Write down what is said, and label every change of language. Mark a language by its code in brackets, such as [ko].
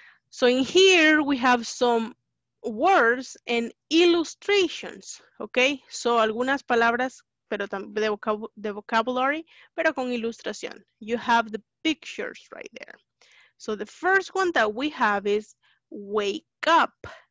[en] So, in here, we have some words and illustrations. Ok. [es] So, algunas palabras pero de vocabulary, pero con ilustración. [en] You have the pictures right there. So, the first one that we have is wake up.